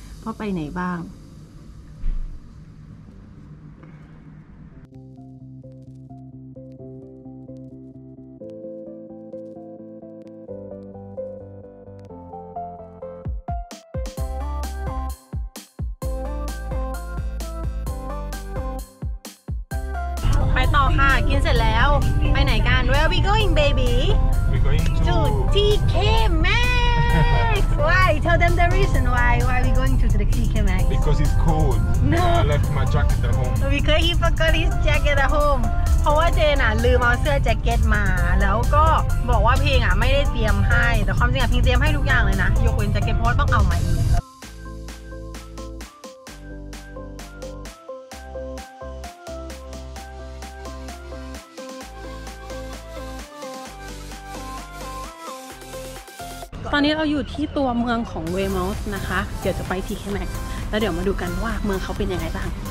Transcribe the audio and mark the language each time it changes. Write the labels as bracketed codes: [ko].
[th] ว่าไปไหนบ้างกินเสร็จแล้วไปไหนกัน [en] Where are we going baby We're going to TK Maxx Why tell them the reason why are we going to the TK Maxx Because it's cold No I left my jacket at home Because he forgot his jacket at home [th] เพราะว่าเจนอ่ะลืมเอาเสื้อแจ็คเก็ตมาแล้วก็บอกว่าเพียงอ่ะไม่ได้เตรียมให้แต่ความจริงอ่ะพี่เตรียมให้ทุกอย่างเลยนะยกเว้นแจ็คเก็ตเพราะต้องเอามาเองตอนนี้เราอยู่ที่ตัวเมืองของเวย์มอสนะคะเดี๋ยวจะไปที่TK Maxxแล้วเดี๋ยวมาดูกันว่าเมืองเขาเป็นยังไงบ้าง